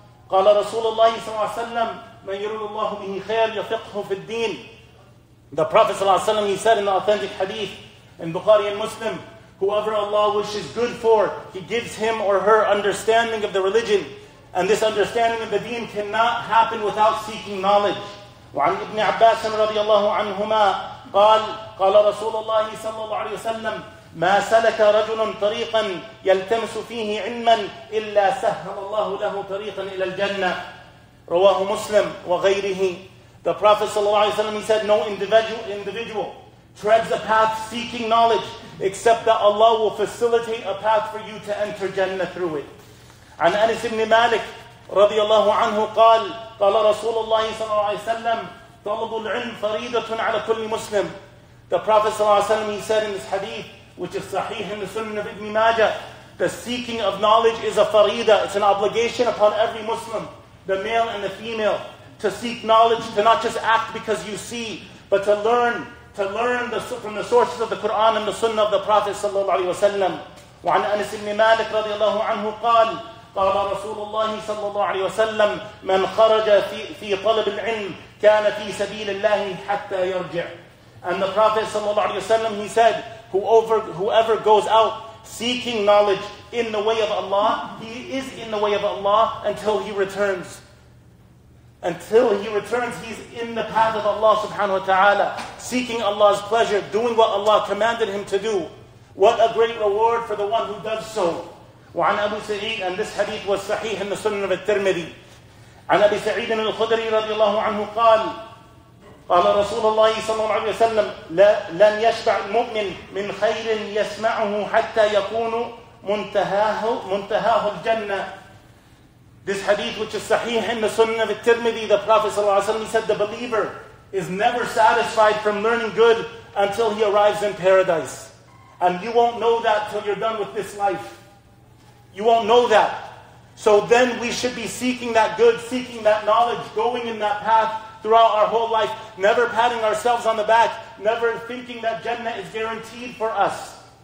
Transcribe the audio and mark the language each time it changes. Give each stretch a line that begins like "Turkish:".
Arabic: قَالَ رَسُولَ اللَّهِ صَلَّى اللَّهُ عَلَيْهِ وَسَلَّمَ مَنْ يُرُدُ اللَّهُ بِهِ خَيْرٍ يَفِقْهُ فِي الدِّينِ
English: The Prophet ﷺ, he said in the authentic hadith, in Bukhari and Muslim, whoever Allah wishes good for, he gives him or her understanding of the religion. And this understanding of the deen cannot happen without seeking knowledge.
Arabic: وعن ابن عباس رضي الله عنهما قال قال رسول الله صلى الله عليه وسلم ما سلك رجل طريقا يلتمس فيه علما إلا سهل الله له طريقا إلى الجنة رواه مسلم وغيره
English: The Prophet ﷺ, he said, no individual treads a path seeking knowledge except that Allah will facilitate a path for you to enter Jannah through it.
Arabic: عن أنس بن مالك رضي الله عنه قال قال رسول الله صلى الله عليه وسلم طلب العلم فريضة على كل مسلم
English: The Prophet ﷺ, he said in this hadith, which is sahih in the Sunan of Ibn Majah, the seeking of knowledge is a farida, it's an obligation upon every Muslim, the male and the female, to seek knowledge, to not just act because you see, but to learn from the sources of the Qur'an and the sunnah of the Prophet sallallahu alayhi wa sallam.
Arabic: وعن أنس بن مالك رضي الله عنه قال قال رسول الله صلى الله عليه وسلم من خرج في طلب العلم كان في سبيل الله حتى يرجع
English: And the Prophet ﷺ, he said, whoever goes out seeking knowledge in the way of Allah, he is in the way of Allah until he returns. Until he returns, he's in the path of Allah subhanahu wa ta'ala, seeking Allah's pleasure, doing what Allah commanded him to do. What a great reward for the one who does so.
Arabic: وعن أبو سعيد,
English: and this hadith was sahih in the Sunan of al-Tirmidhi.
Arabic: عن أبي سعيد الخدري رضي الله عنه قال, قال رسول الله صلى الله عليه وسلم, لن يشبع المؤمن من خير يسمعه حتى يكون منتهاه الجنة.
English: This hadith, which is sahih in the Sunan of al-Tirmidhi, the Prophet صلى الله عليه وسلم said, the believer is never satisfied from learning good until he arrives in paradise. And you won't know that till you're done with this life. You won't know that. So then we should be seeking that good, seeking that knowledge, going in that path throughout our whole life, never patting ourselves on the back, never thinking that Jannah is guaranteed for us.